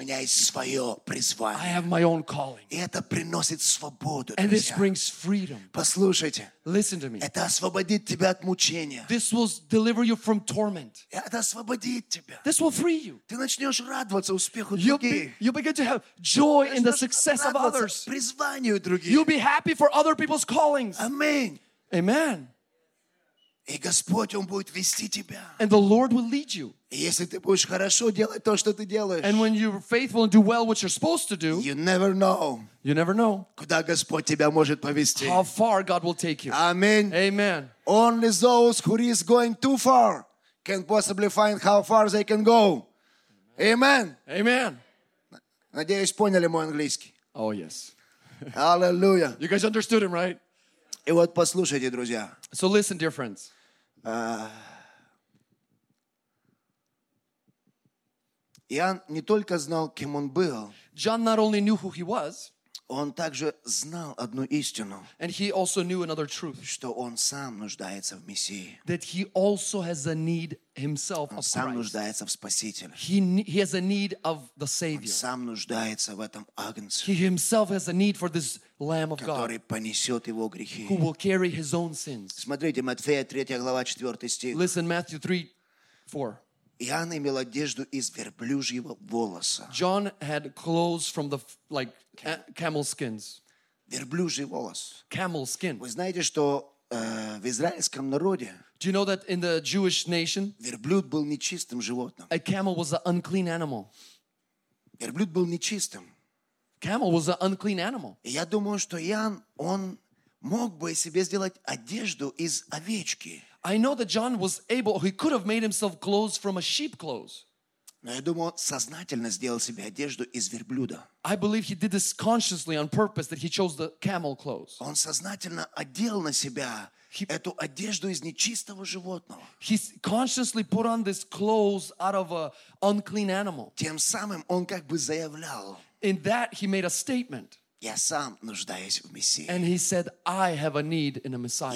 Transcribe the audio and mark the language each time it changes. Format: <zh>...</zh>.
<ru>У меня есть свое призвание.</ru> <en>I have my own calling.</en> <ru>И это приносит свободу,</ru> <en>And this brings freedom.</en> <ru>Послушайте.</ru> <en>Listen to me.</en> <ru>Это освободит тебя от мучения.</ru> <en>This will deliver you from torment.</en> <ru>Это освободит тебя.</ru> <en>This will free you.</en> <ru>Ты начнешь радоваться успеху других.</ru> <en>You begin to have joy in the success of others.</en> <ru>Призванию других.</ru> <en>You'll be happy for other people's callings. Amen. Amen.</en> <ru>И Господь, Он будет вести тебя.</ru> <en>And the Lord will lead you.</en> <ru>Если ты будешь хорошо делать то, что ты делаешь.</ru> <en>And when you're faithful and do well what you're supposed to do. You never know. You never know.</en> <ru>Куда Господь тебя может повести.</ru> <en>How far God will take you. Amen. Amen. Only those who is going too far can possibly find how far they can go. Amen. Amen.</en> <ru>Надеюсь, поняли мой английский.</ru> <en>Oh, yes. Hallelujah. You guys understood him, right?</en> <ru>И вот послушайте, друзья.</ru> <en>So listen, dear friends.</en> <ru>Иоанн не только знал, кем он был.</ru> <en>John not only knew who he was.</en> <ru>Он также знал одну истину.</ru> <en>And he also knew another truth.</en> <ru>Что он сам нуждается в Мессии.</ru> <en>That he also has a need himself</en> <ru>он Он сам нуждается в Спасителе.</ru> <en>He has a need of the Savior.</en> <ru>Он сам нуждается в этом Агнце.</ru> <en>He himself has a need for this Lamb of God.</en> <ru>Который понесет его грехи.</ru> <en>Who will carry his own sins.</en> <ru>Смотрите, Матфея 3 глава 4 стих.</ru> <en>Listen, Matthew 3, 4.</en> <ru>Иоанн имел одежду из верблюжьего волоса.</ru> <en>John had clothes from the like camel skins.</en> <ru>Верблюжий волос.</ru> <en>Camel skin.</en> <ru>Вы знаете, что в израильском народе?</ru> <en>Do you know that in the Jewish nation?</en> <ru>Верблюд был нечистым животным.</ru> <en>A camel was an unclean animal.</en> <ru>Верблюд был нечистым.</ru> <en>Camel was an unclean animal.</en> <ru>И я думаю, что Иоанн он мог бы себе сделать одежду из овечки.</ru> <en>I know that John was able, he could have made himself clothes from a sheep clothes.</en> <ru>Но я думаю, сознательно сделал себе одежду из верблюда.</ru> <en>I believe he did this consciously on purpose that he chose the camel clothes.</en> <ru>Он сознательно одел на себя эту одежду из нечистого животного.</ru> <en>He consciously put on this clothes out of an unclean animal.</en> <ru>Тем самым он как бы заявлял.</ru> <en>In that he made a statement.</en> <ru>Я сам нуждаюсь в Мессии.</ru> <en>And he said, I have a need in a Messiah.</en>